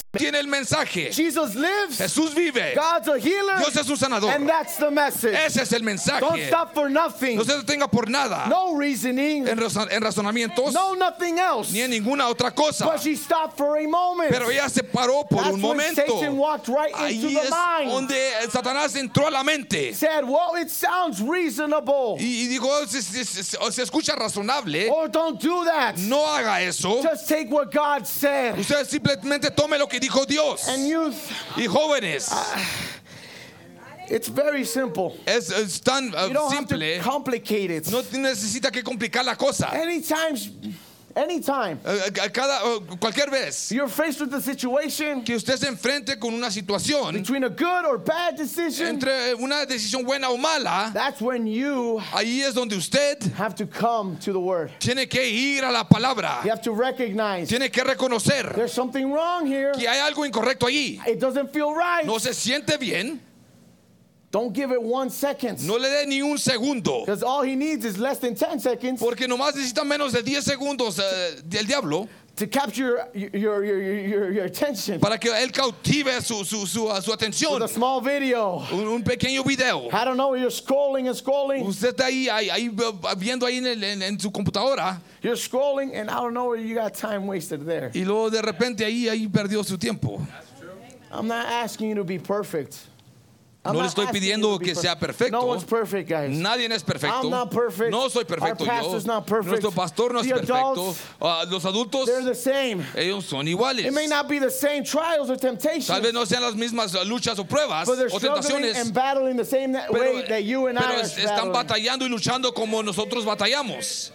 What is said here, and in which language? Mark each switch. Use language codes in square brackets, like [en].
[es] Tiene el mensaje. [en] Jesus lives. [es] Jesús vive. [en] God's a healer. [es] Dios es un sanador. [en] And that's the message. [es] Ese es el mensaje. [en] Don't stop for nothing. [es] No se detenga por nada. [en] No reasoning. [es] En razonamientos. [en] No nothing else. [es] Ni en ninguna otra cosa. [en] But she stopped for a moment. [es] Pero ella se paró por [en] that's [es] un momento. [en] Satan walked right [es] ahí [en] into the mind. [es] Donde Satanás entró a la mente. [en] Said, well, it sounds reasonable. [es] Y dijo, se escucha razonable. [en] Or don't do that. [es] No haga eso. [en] Just take what God said. [es] Usted simplemente tome lo que dijo Dios. [en] And youth, [es] y jóvenes, [en] it's very simple. [es] Es tan simple. [en] You don't have to complicate it. [es] No necesita que complicar la cosa. [en] Anytime. [es] Cualquier vez. [en] You're faced with a situation. [es] Que usted se enfrente con una situación. [en] Between a good or bad decision. [es] Entre una decisión buena o mala. [en] That's when you. [es] Ahí es donde usted. [en] Have to come to the word. [es] Tiene que ir a la palabra. [en] You have to recognize. [es] Tiene que reconocer. [en] There's something wrong here. [es] Que hay algo incorrecto allí. [en] It doesn't feel right. [es] No se siente bien. [en] Don't give it 1 second. [es] No le dé ni un segundo. [en] Because all he needs is less than 10 seconds. [es] Porque nomás necesita menos de 10 segundos del diablo. [en] to capture your attention. [es] Para que él cautive su atención. [en] With a small video. [es] Un pequeño video. [en] I don't know. You're scrolling and scrolling. [es] Usted está ahí viendo ahí en su computadora. [en] You're scrolling and I don't know where you got time wasted there. [es] Y luego de repente ahí perdió su tiempo. [en] I'm not asking you to be perfect. [es] No le estoy pidiendo que sea perfecto. [en] No one's perfect, guys. [es] Nadie es perfecto. [en] I'm not perfect. [es] No soy perfecto. [en] Our pastor's not perfect. [es] Nuestro pastor no [en] the [es] es [en] adults, [es] perfecto. Los adultos, [en] they're the same. [es] Ellos son iguales. [en] It may not be the same trials or temptations. [es] Tal vez no sean las mismas luchas o pruebas o tentaciones. [en] But they're struggling and battling the same way that you and I are battling. [es] Pero están batallando y luchando como nosotros batallamos.